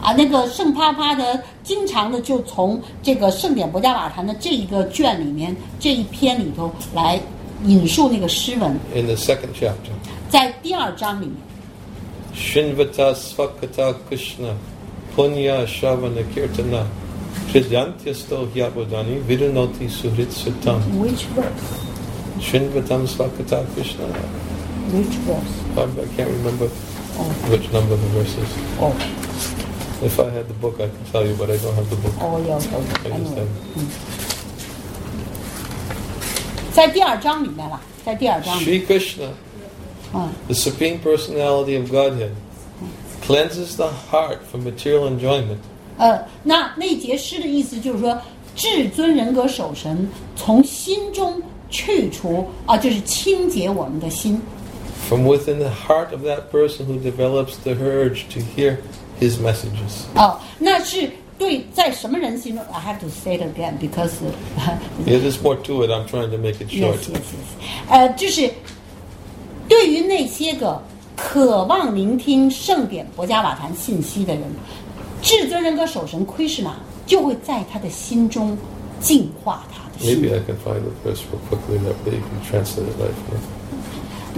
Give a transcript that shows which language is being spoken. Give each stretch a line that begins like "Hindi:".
Chinese: 那个圣帕帕的经常的就从这个圣典博迦瓦坛的这一个卷里面，这一篇里头来引述那个诗文。
English: In the second chapter.
Chinese: 在第二章里面。
Sanskrit: Shrinvata Svakata Krishna. Punya Shavana Kirtana Kridyantya Stohyabodani Virunoti Surit Sutam.
English: Which verse?
Sanskrit: Shrinvatam Svakata Krishna.
English: Which verse? I can't remember which number of the verses. If I had the book, I could tell you, but I don't have the book. Oh, yeah, okay. I just have.
Chinese: 在第二章里面了，在第二章里面。
English: Shri Krishna, the Supreme Personality of Godhead, cleanses the heart from material enjoyment.
Chinese: 那节诗的意思就是说，至尊人格守神从心中去除啊，就是清洁我们的心。
English: From within the heart of that person who develops the urge to hear his messages.
Chinese: 那是。对，在什么人心中 ？
English: I have to say it again because there's more to it. I'm trying to make it short. Yes.
Chinese: 就是对于那些个渴望聆听圣典博伽瓦坛信息的人，至尊人格守神 Krishna 就会在他的心中净化他的心。
English: Maybe I can find the verse real quickly that they can translate it right.